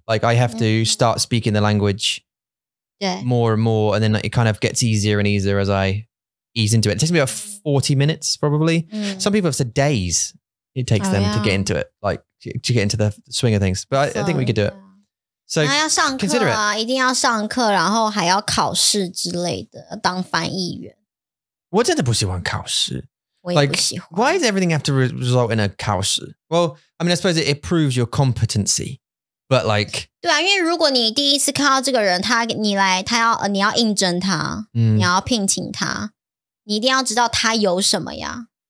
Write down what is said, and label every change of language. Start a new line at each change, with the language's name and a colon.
English: Like I have to start speaking the language more and more, and then it kind of gets easier and easier as I ease into it. It takes me about 40 minutes probably. Mm. Some people have said days it takes them to get into it, like to get into the swing of things. But I think we could do it. So
Chinese: 那要上课啊,
English: consider it.
Chinese: 一定要上课, 然后还要考试之类的, 当翻译员。我真的不喜欢考试。
English: Like, why does everything have to result in a 考试? Well, I mean, I suppose it proves your competency, but like...
Chinese: 对啊,因为如果你第一次看到这个人, 你要应征他, 你要聘请他, 你一定要知道他有什么呀。